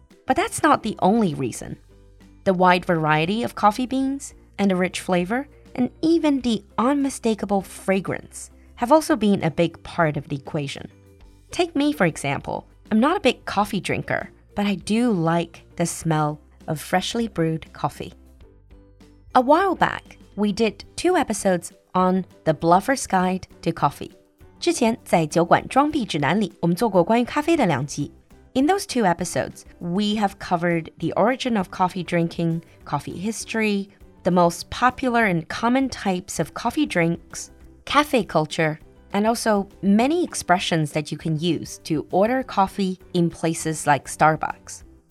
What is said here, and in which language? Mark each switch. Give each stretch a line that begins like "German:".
English: But that's not the only reason. The wide variety of coffee beans and the rich flavor and even the unmistakable fragrance have also been a big part of the equation. Take me, for example. I'm not a big coffee drinker, but I do like the smell of freshly brewed coffee. A while back, we did 2 episodes on The Bluffer's Guide to Coffee.
Chinese: 之前在酒馆装逼指南里我们做过关于咖啡的两集。
English: In those 2 episodes, we have covered the origin of coffee drinking, coffee history, the most popular and common types of coffee drinks, cafe culture, and also many expressions that you can use to order coffee in places like Starbucks.